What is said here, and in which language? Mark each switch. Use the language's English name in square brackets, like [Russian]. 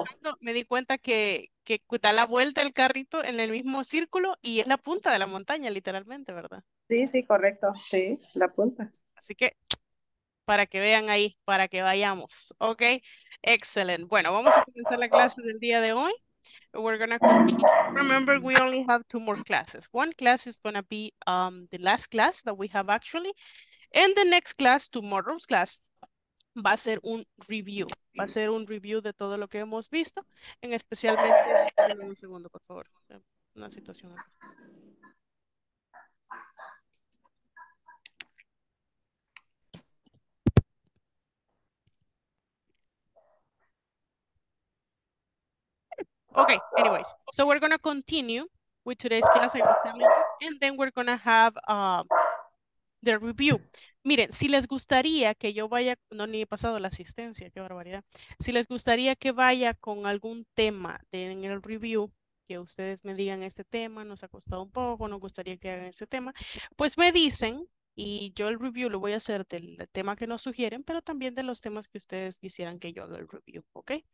[Spanish] bajando, me di cuenta que da la vuelta el carrito en el mismo círculo y es la punta de la montaña, literalmente, ¿verdad? Sí, correcto. Sí, la punta. Así que, para que vean ahí, para que vayamos. Ok, excelente. Bueno, vamos a comenzar la clase del día de hoy. [English] We're gonna Remember, we only have two more classes. One class is gonna be the last class that we have actually. And the next class, tomorrow's class, [Spanish] va a ser un review. Va a ser un review de todo lo que hemos visto. En especialmente, dame un segundo, por favor. Una situación acá. [English] Okay, anyways, so we're gonna continue. with today's class, I was telling you, and then we're gonna have the review. [Spanish] Miren, si les gustaría que yo vaya, no, ni he pasado la asistencia, qué barbaridad. Si les gustaría que vaya con algún tema en el review, que ustedes me digan este tema, nos ha costado un poco, nos gustaría que hagan ese tema, pues me dicen, y yo el review lo voy a hacer del tema que nos sugieren, pero también de los temas que ustedes quisieran que yo haga el review, ¿ok?